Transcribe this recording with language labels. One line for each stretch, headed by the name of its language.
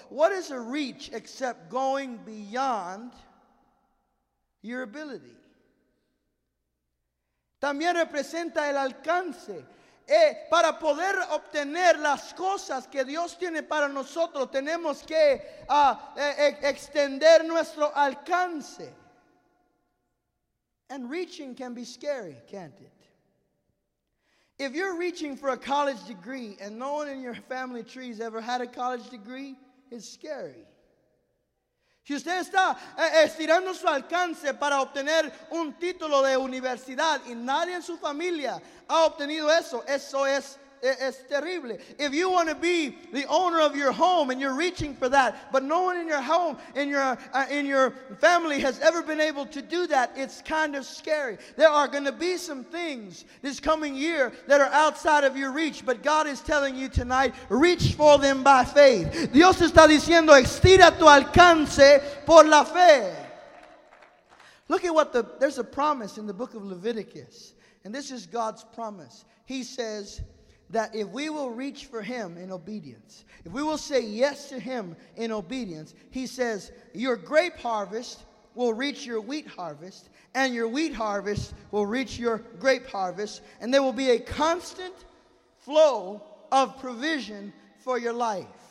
English: What is a reach except going beyond your ability?
Spanish: También representa el alcance. Para poder obtener las cosas que Dios tiene para nosotros, tenemos que extender nuestro alcance.
English: And reaching can be scary, can't it? If you're reaching for a college degree and no one in your family tree has ever had a college degree, it's scary.
Spanish: Si usted está estirando su alcance para obtener un título de universidad y nadie en su familia ha obtenido eso, eso es terrible.
English: If you want to be the owner of your home and you're reaching for that, but no one in your home, in your family has ever been able to do that, it's kind of scary. There are going to be some things this coming year that are outside of your reach, but God is telling you tonight, reach for them by faith.
Spanish: Dios está diciendo, estira tu alcance por la fe.
English: Look at what there's a promise in the book of Leviticus, and this is God's promise. He says that if we will reach for him in obedience, if we will say yes to him in obedience, he says, your grape harvest will reach your wheat harvest, and your wheat harvest will reach your grape harvest, and there will be a constant flow of provision for your life.